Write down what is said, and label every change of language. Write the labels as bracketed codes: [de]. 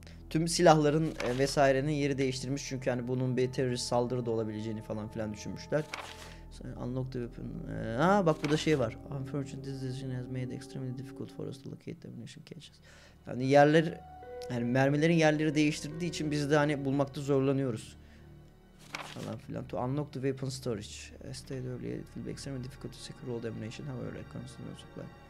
[tr] Tüm silahların vesairenin yeri değiştirmiş çünkü hani bunun bir terörist saldırı da olabileceğini falan filan düşünmüşler. [en] Unlock the weapon. [tr] Aa bak burada şey var. [en] Unfortunately this decision has made extremely difficult for us to locate the ammunition caches. [tr] Yani yerler, yani mermilerin yerleri değiştirdiği için biz de hani bulmakta zorlanıyoruz. Falan filan. [en] To unlock the weapon storage. As stated earlier, it will be extremely difficult to secure all the ammunition. However, I constantly supply.